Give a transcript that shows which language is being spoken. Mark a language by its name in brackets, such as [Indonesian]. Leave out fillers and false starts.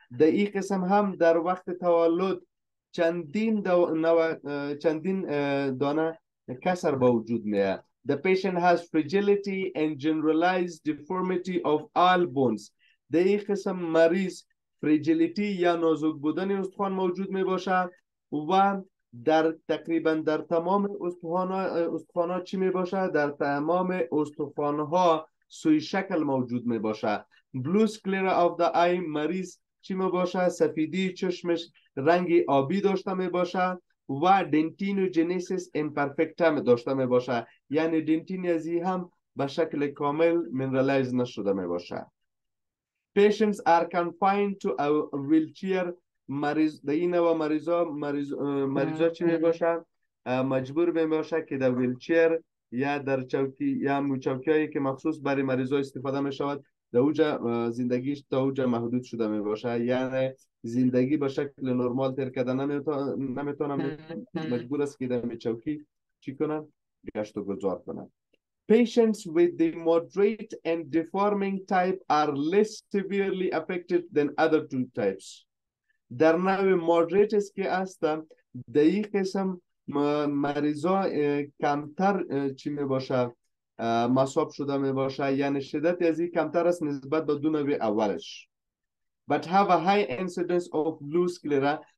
[Persian] در این قسم هم در وقت تولد چندین دانه کسر باوجود میده. [English] The patient has fragility and generalized deformity of all bones. [Persian] در این قسم مریض فریجیلیتی یا نازک بودن استخوان موجود می باشد و در تقریبا در تمام استخوان‌ها چی می باشد؟ در تمام استخوان‌ها سوی شکل موجود می باشد. [English] Blue sclera of the eye [Persian] مریض چی می باشد؟ سفیدی چشمش رنگی آبی داشته می باشد و dentinogenesis imperfecta داشته می باشه، یعنی دنتین ازی هم به شکل کامل منرالایز نشده می باشه. [English] Patients are confined to a wheelchair. [Persian] مریضا چی می باشه؟ مجبور می باشه که در wheelchair یا در چوکی یا موچوکی هایی که مخصوص برای مریضا استفاده می شود در اوجه زندگیش تا اوجه محدود شده می باشه، یعنی زندگی به شکل نرمال تر کده نمیتونم، مجبور است که در چوکی چی کنم؟ گشت و گذار کنم. [English] Patients with the moderate and deforming type are less severely affected than other two types. [Persian] در نوع moderate است که است در این قسم مریضا کمتر چی می باشه؟ مصاب شده می باشه، یعنی شدت از این کمتر است نسبت به دو نوع اولش. [English] But have a high incidence of blue sclera.